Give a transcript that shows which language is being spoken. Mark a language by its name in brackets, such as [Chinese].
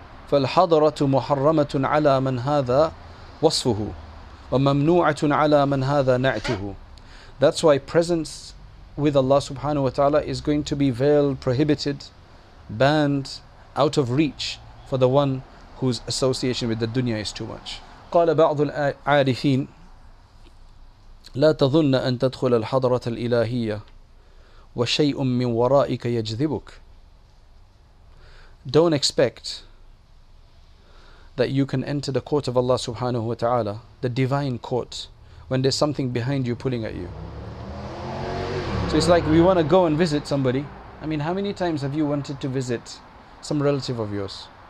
[Arabic] فَالْحَضَرَةُ مُحَرَّمَةٌ عَلَىٰ مَنْ هَذَا وَصْفُهُ وَمَمْنُوعَةٌ عَلَىٰ مَنْ هَذَا نَعْتُهُ. [English] That's why presence with Allah subhanahu wa ta'ala is going to be veiled, prohibited, banned, out of reach for the one whose association with the dunya is too much. [Arabic] قَالَ بَعْضُ الْعَارِفِينَ لا تظن أن تدخل الحضرة الإلهية وشيء من ورائك يجذبك. [English] Don't expect that you can enter the court of Allah subhanahu wa ta'ala, the divine court, when there's something behind you pulling at you. So it's like we want to go and visit somebody. I mean, how many times have you wanted to visit some relative of yours?